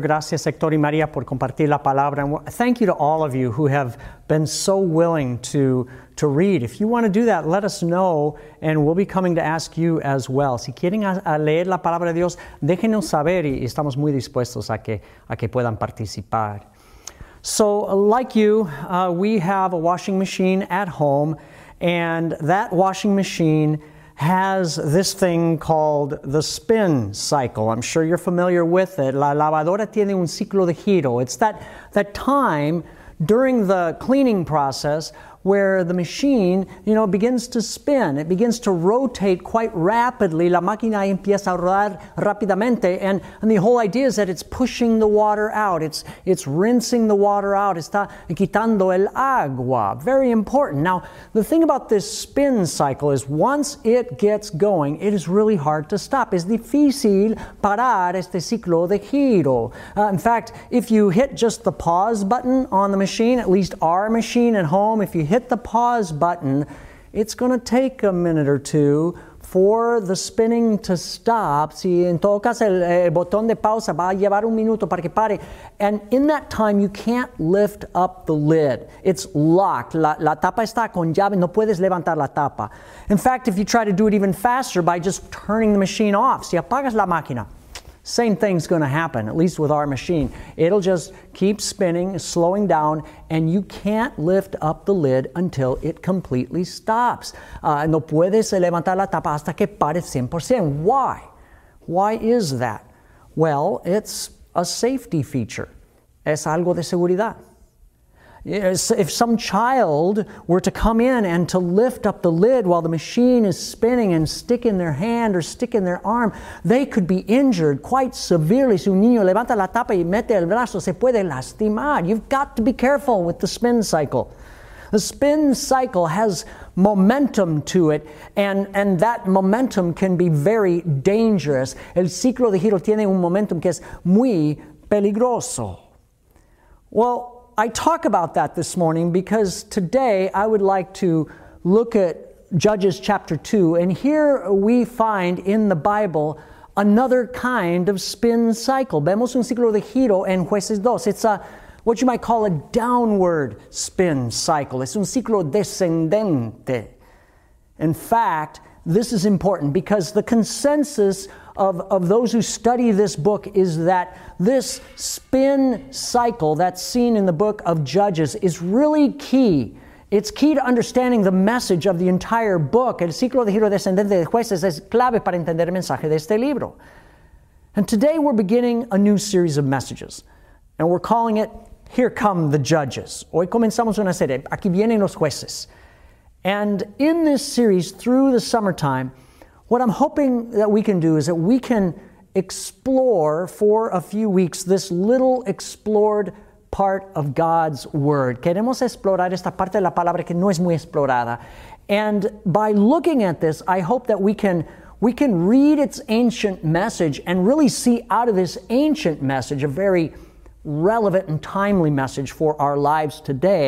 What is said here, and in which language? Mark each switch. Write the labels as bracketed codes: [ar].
[es] Gracias, Hector y Maria, por compartir la palabra. [en] And thank you to all of you who have been so willing to read. If you want to do that, let us know, and we'll be coming to ask you as well. [es] Si quieren a leer la palabra de Dios, déjenos saber y estamos muy dispuestos a que puedan participar. [en] So, like you, we have a washing machine at home, and that washing machine has this thing called the spin cycle. I'm sure you're familiar with it. [es] La lavadora tiene un ciclo de giro. [en] It's that time during the cleaning process where the machine, you know, begins to spin. It begins to rotate quite rapidly. [es] La máquina empieza a rodar rápidamente. [en] And the whole idea is that it's pushing the water out. It's rinsing the water out. [es] Está quitando el agua. [en] Very important. Now, the thing about this spin cycle is once it gets going, it is really hard to stop. [es] Es difícil parar este ciclo de giro. [en] In fact, if you hit just the pause button on the machine, at least our machine at home, if you hit the pause button, it's going to take a minute or two for the spinning to stop. [es] Si en todo caso el botón de pausa va a llevar un minuto para que pare. [en] And in that time, you can't lift up the lid. It's locked. [es] La tapa está con llave. No puedes levantar la tapa. [en] In fact, if you try to do it even faster by just turning the machine off, [es] si apagas la máquina, [en] same thing's going to happen, at least with our machine. It'll just keep spinning, slowing down, and you can't lift up the lid until it completely stops. [es] No puedes levantar la tapa hasta que pare 100%. [en] Why? Why is that? Well, it's a safety feature. [es] Es algo de seguridad. [en] If some child were to come in and to lift up the lid while the machine is spinning and stick in their hand or stick in their arm, they could be injured quite severely. [es] Si un niño levanta la tapa y mete el brazo, se puede lastimar. [en] You've got to be careful with the spin cycle. The spin cycle has momentum to it, and that momentum can be very dangerous. [es] El ciclo de giro tiene un momentum que es muy peligroso. [en] Well, I talk about that this morning because today I would like to look at Judges chapter 2, and here we find in the Bible another kind of spin cycle. [es] Vemos un ciclo de giro en Jueces 2. [en] It's a what you might call a downward spin cycle. [es] Es un ciclo descendente. [en] In fact, this is important because the consensus of those who study this book is that this spin cycle that's seen in the book of Judges is really key. It's key to understanding the message of the entire book. [es] El ciclo de giro descendente de Jueces es clave para entender el mensaje de este libro. [en] And today we're beginning a new series of messages, and we're calling it Here Come the Judges. [es] Hoy comenzamos una serie, Aquí Vienen los Jueces. [en] And in this series, through the summertime, what I'm hoping that we can do is that we can explore for a few weeks this little explored part of God's Word. [es] Queremos explorar esta parte de la palabra que no es muy explorada. [en] And by looking at this, I hope that we can read its ancient message and really see out of this ancient message a very relevant and timely message for our lives today.